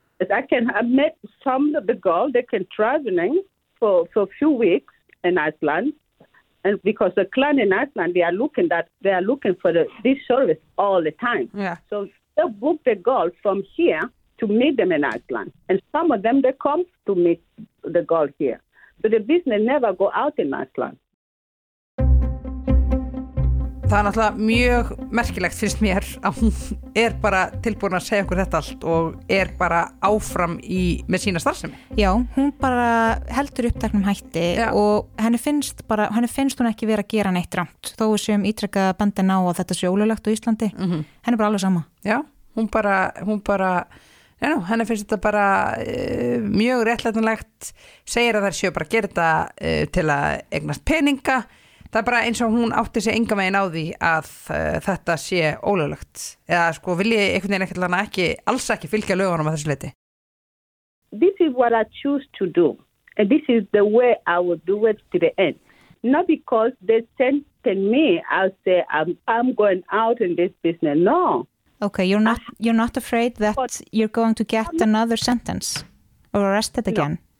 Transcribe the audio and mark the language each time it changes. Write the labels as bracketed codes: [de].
[en] I've met some of the girls. They can traveling for a few weeks in Iceland, and because the client in Iceland, they are looking for this service all the time. Yeah. So they book the girl from here to meet them in Iceland, and some of them they come to meet the girl here. But the business never go out in Iceland. [is] Það náttúrulega mjög merkilegt finnst mér að hún bara tilbúin að segja okkur þetta allt og bara áfram í með sína starfsemi. Já, hún bara heldur uppteknum hætti Já. Og henni finnst hún ekki vera að gera neitt rangt. Þó við séum ítreka bandin á að þetta sé ólöglegt á Íslandi. Mm-hmm. Henni bara alveg sama. Já, hún bara henni finnst þetta bara mjög réttlætanlegt, segir að þær séu bara að gera þetta til að eignast peninga. Það bara eins og hún átti sig enga megin á því að þetta sé ólöglegt. Eða sko vilji einhvern veginn ekkert hana ekki, alls ekki fylgja lögunum að þessu leiti. [en] This is what I choose to do. And this is the way I will do it to the end. Not because they sent me, I'll say I'm going out in this business. No. Okay, you're not afraid that you're going to get another sentence or arrested again?